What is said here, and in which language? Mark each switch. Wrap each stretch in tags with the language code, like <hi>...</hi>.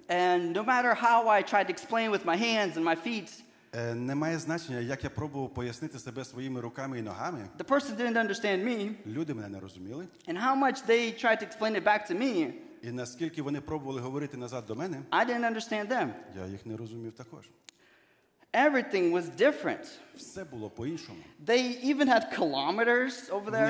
<en>And no matter how I tried to explain with my hands and my feet,</en> <uk>немає значення, як я пробував пояснити себе своїми руками і ногами.</uk> <en>The person didn't understand me.</en> <uk>Люди мене не розуміли.</uk> <en>And how much they tried to explain it back to me.</en> <uk>І наскільки вони пробували говорити назад до мене.</uk> <en>I didn't understand them.</en> <uk>Я їх не розумів також.</uk> <en>Everything was different.</en> <uk>Все було по-іншому.</uk> <en>They even had kilometers over there.</en>